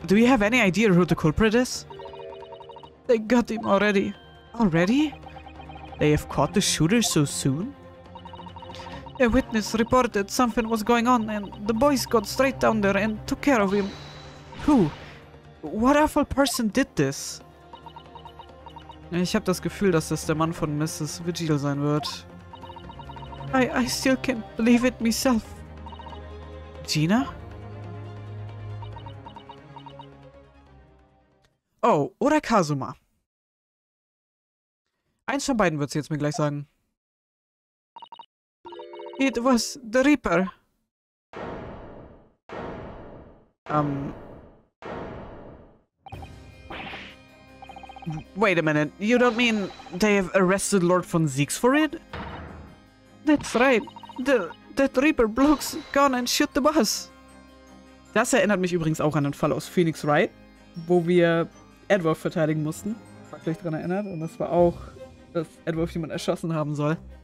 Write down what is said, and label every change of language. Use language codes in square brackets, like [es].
[en] Do you have any idea who the culprit is? They got him already. Already? They have caught the shooter so soon? A witness reported something was going on and the boys got straight down there and took care of him. Who? What awful person did this? [de] Ich habe das Gefühl, dass das der Mann von Mrs. Vigil sein wird. [en] I still can't believe it myself. Gina? [de] Oh, oder Kazuma. Eins von beiden wird sie jetzt mir gleich sagen. [en] It was the Reaper. Wait a minute. You don't mean they have arrested Lord von Siegs for it? That's right. That Reaper blocks gun and shoot the boss. [de] Das erinnert mich übrigens auch an den Fall aus Phoenix Wright, wo wir Edward verteidigen mussten. Ich war gleich dran erinnert. Und das war auch, dass Edward jemand erschossen haben soll.